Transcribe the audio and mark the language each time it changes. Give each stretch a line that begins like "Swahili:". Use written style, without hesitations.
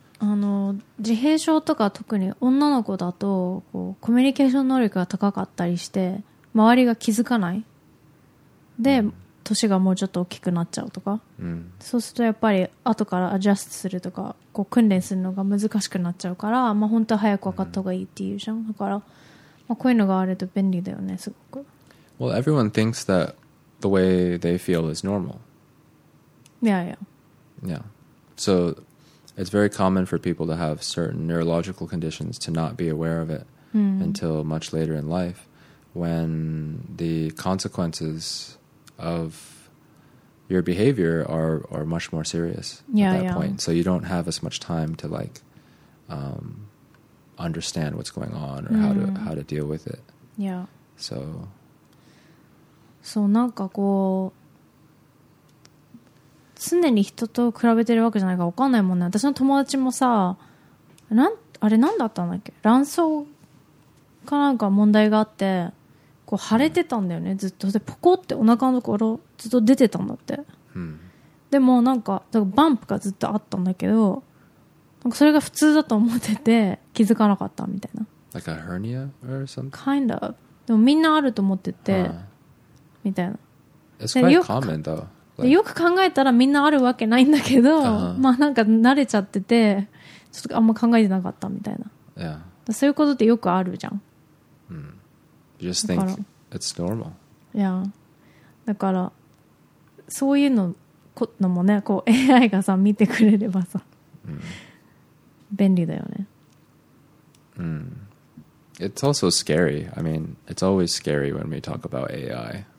Japanese: あの、自閉症とか特に女の子だとこうコミュニケーション能力が高かったりして周りが気づかないで、年がもうちょっと大きくなっちゃうとか、そうするとやっぱり後からアジャストするとかこう訓練するのが難しくなっちゃうから、まあ、本当は早く分かった方がいいっていうじゃん、だから、まあ、こういうのがあると便利だよね、すごく。
English: Well, everyone thinks that the way they feel is normal. Yeah. So it's very common for people to have certain neurological conditions to not be aware of it until much later in life, when the consequences of your behavior are much more serious at that point. So you don't have as much time to like understand what's going on or how to deal with it. Yeah. So
Japanese: なんかこう常に人と比べてるわけじゃないか分かんないもんね。私の友達もさ、あれなんだったんだっけ？卵巣かなんか問題があって。こう腫れてたんだよね、ずっと。でポコってお腹のところずっと出てたんだって、でもなんかバンプがずっとあったんだけど、なんかそれが普通だと思ってて気づかなかったみたいな。
English: Like a hernia or something? Kind of.
Japanese: でもみんなあると思ってて、みたいな。
English: It's quite common though、
Japanese: like、よく考えたらみんなあるわけないんだけど、まあなんか慣れちゃっててちょっとあんま考えてなかったみたいな、そういうことってよくあるじゃん。
English: Just think it's normal. Yeah.
Japanese: だからそういうのもね、こう AI がさ見てくれればさ、便利だよね。
English: It's also scary. I mean, it's always scary when we talk about AI.